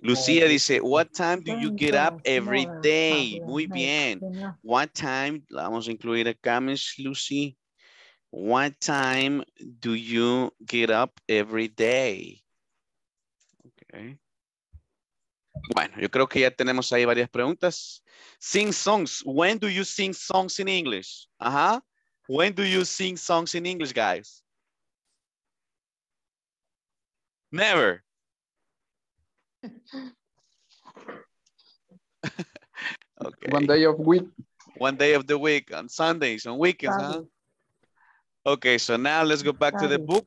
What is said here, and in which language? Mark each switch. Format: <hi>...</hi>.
<en>Lucia dice, what time do you get up every day?</en> <es>Muy bien.</es> <en>What time,</en> <es>vamos a incluir acá,</es> <en>Miss Lucy. What time do you get up every day? Okay.</en> <es>Bueno, yo creo que ya tenemos ahí varias preguntas.</es> <en>Sing songs. When do you sing songs in English? When do you sing songs in English, guys? Never. Okay. One day of week. One day of the week, on Sundays, on weekends, huh? Okay, so now let's go back to the book.</en>